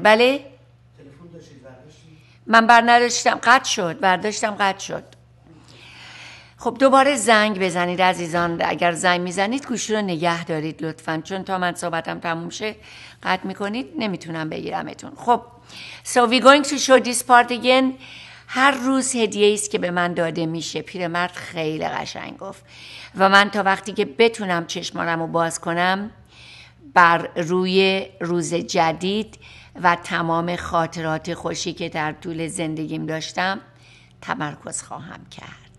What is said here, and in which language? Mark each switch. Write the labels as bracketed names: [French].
[Persian] بله، من بر نداشتم، قطع شد، برداشتم، قطع شد. خب دوباره زنگ بزنید عزیزان، اگر زنگ میزنید گوشی رو نگه دارید لطفاً، چون تا من صحبتم تموم شه قطع میکنید نمیتونم بگیرمتون. خب [English] So we going to show this part again. [Persian] هر روز هدیه ایست که به من داده میشه، پیرمرد خیلی قشنگ گفت، و من تا وقتی که بتونم چشمانم رو باز کنم بر روی روز جدید و تمام خاطرات خوشی که در طول زندگیم داشتم تمرکز خواهم کرد.